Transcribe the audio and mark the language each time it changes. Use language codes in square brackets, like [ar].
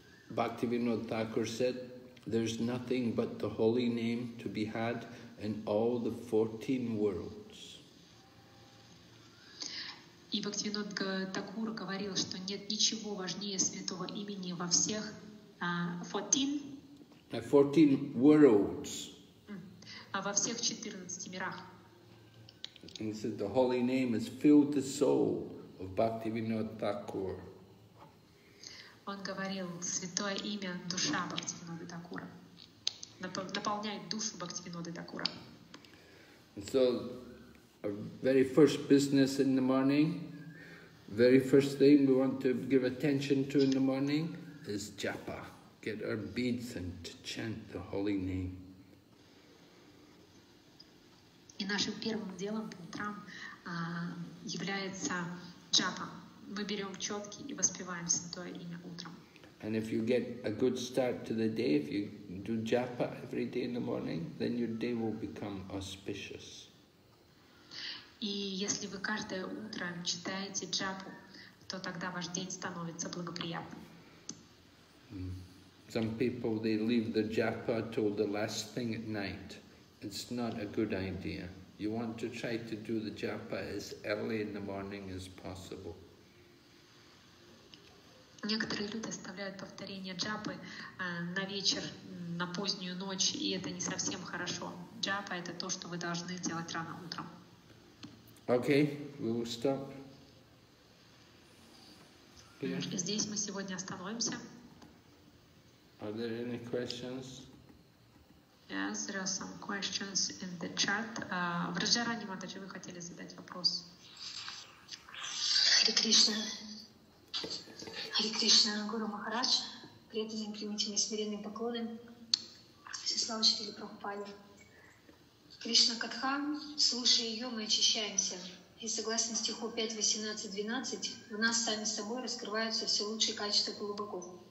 [en] Bhaktivinoda Thakur said, there's nothing but the holy name to be had in all the 14 worlds. [ru] И Бхактивинода Такур говорил, что нет ничего важнее святого имени во всех 14 [en] 14 worlds. [ru] А во всех 14 мирах. [en] And he said the holy name has filled the soul of Bhaktivinoda Thakur. [ru] Он говорил, святое имя, душа Бхактивинода Такура. Наполняет душу Бхактивинода Такура. [en] So, our very first business in the morning, very first thing we want to give attention to in the morning is japa. Get our beads and to chant the holy name. [ru] И нашим первым делом по утрам является джапа. Мы берем четки и воспеваем святое имя утром. [en] And if you get a good start to the day, if you do japa every day in the morning, then your day will become auspicious. [ru] И если вы каждое утро читаете джапу, то тогда ваш день становится благоприятным. [en] Some people, they leave the japa till the last thing at night. It's not a good idea. You want to try to do the japa as early in the morning as possible. [ru] Некоторые люди оставляют повторение джапы на вечер, на позднюю ночь, и это не совсем хорошо. Джапа — это то, что вы должны делать рано утром. [en] Okay, we will stop. [ru] Здесь мы сегодня остановимся. [en] Are there any questions? Yes, there are some questions in the chat. [ru] В Раджарани Матаджи вы хотели задать вопрос. Hare Krishna. Hare Krishna, Guru Maharaj, преданные, примитивные, смиренные поклоны, все слава учителю Прабхупаде. Кришна Катха, слушая ее, мы очищаемся. И согласно стиху 5.18.12, в нас сами собой раскрываются все лучшие качества полубогов.